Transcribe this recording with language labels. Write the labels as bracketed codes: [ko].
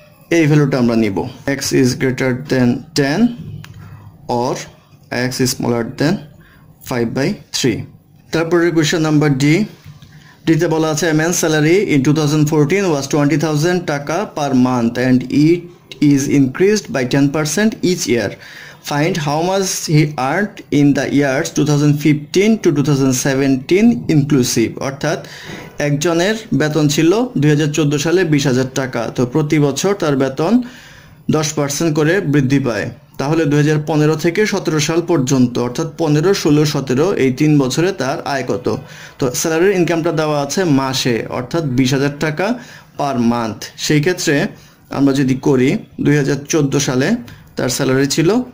[bn] এই ভ্যালুটা আমরা নিব [en] x is greater than 10 or x is smaller than 5 by 3 [bn] তারপরে [en] question number D [bn] ডিতে বলা আছে [en] Man salary in 2014 was 20,000 টাকা per month and it is increased by 10% each year. Find how much he earned in the years 2015 to 2017 inclusive. [bn] অর্থাৎ একজনের বেতন ছিল 2014 সালে 20000 টাকা তো প্রতি বছর তার বেতন 10% করে বৃদ্ধি পায় তাহলে 2015 থেকে 17 সাল পর্যন্ত অর্থাৎ 15 16 17 এই 3 বছরে তার আয় কত তো স্যালারির ইনকামটা দেওয়া আছে মাসে অর্থাৎ 20000 টাকা [en] per month [bn] সেই ক্ষেত্রে আমরা যদি করি 2014 সালে তার স্যালারি ছিল